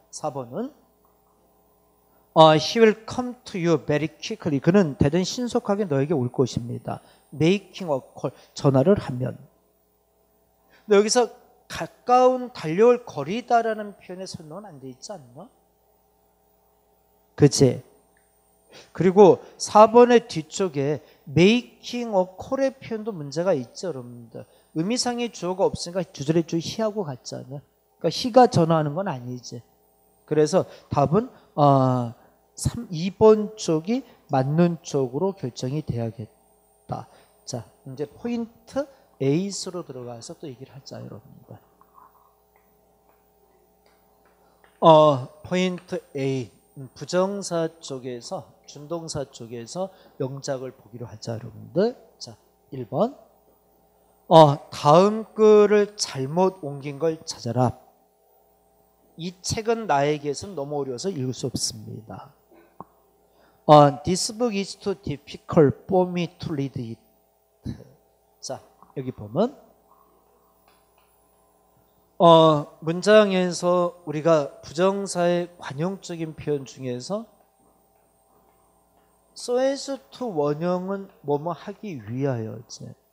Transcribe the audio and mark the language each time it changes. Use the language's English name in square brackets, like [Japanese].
[English] 4번은 he will come to you very quickly. [Korean] 그는 대단히 신속하게 너에게 올 것입니다. [English] making a call. [Korean] 전화를 하면. 근데 여기서 가까운 달려올 거리다라는 표현의 설명은 안 돼 있지 않나? 그치? 그리고 4번의 뒤쪽에 making a call의 표현도 문제가 있죠, 여러분들. 의미상의 주어가 없으니까 주절의 주어 he하고 같잖아. 그러니까 he가 전화하는 건 아니지. 그래서 답은 2번 쪽이 맞는 쪽으로 결정이 돼야겠다. 자, 이제 포인트 8으로 들어가서 또 얘기를 하자, 여러분들. 포인트 A, 부정사 쪽에서, 준동사 쪽에서 명작을 보기로 하자, 여러분들. 자, 1번. 다음 글을 잘못 옮긴 걸 찾아라. 이 책은 나에게서 너무 어려워서 읽을 수 없습니다. [English] This book is too difficult for me to read it. [Korean] 자, 여기 보면 문장에서 우리가 부정사의 관용적인 표현 중에서 so as to 원형은 뭐뭐 하기 위하여지.